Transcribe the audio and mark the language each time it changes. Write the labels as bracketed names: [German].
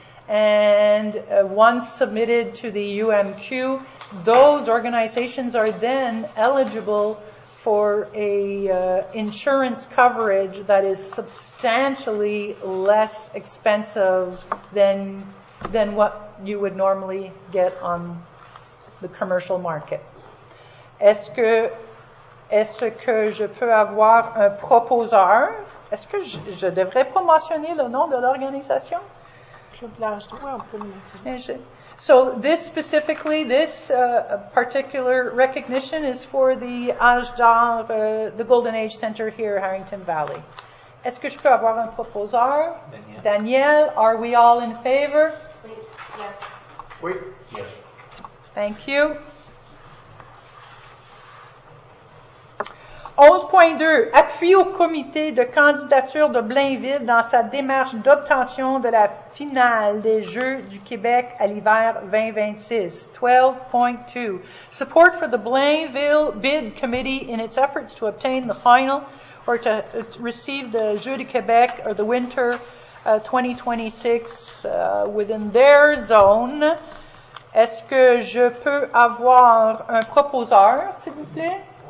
[English] And once submitted to the UMQ, those organizations are then eligible for a insurance coverage that is substantially less expensive than what you would normally get on the commercial market. [French] Est-ce que je peux avoir un proposeur? Est-ce que je ne devrais pas mentionner le nom de l'organisation? Club Large Droit, on peut le mentionner. [English] So this specifically, this particular recognition is for the Âge d'Or, the Golden Age Center here, Harrington Valley. [French] Est-ce que je peux avoir un proposeur? [English] Danielle, are we all in favor? [French] Oui. [English] Yes. [French] Oui. [English] Yes. Thank you. [French] 11.2, appui au comité de candidature de Blainville dans sa démarche d'obtention de la finale des Jeux du Québec à l'hiver 2026. [English] 12.2, support for the Blainville Bid Committee in its efforts to obtain the final or to receive the Jeux du Québec or the winter 2026 within their zone. [French] Est-ce que je peux avoir un proposeur, s'il vous plaît?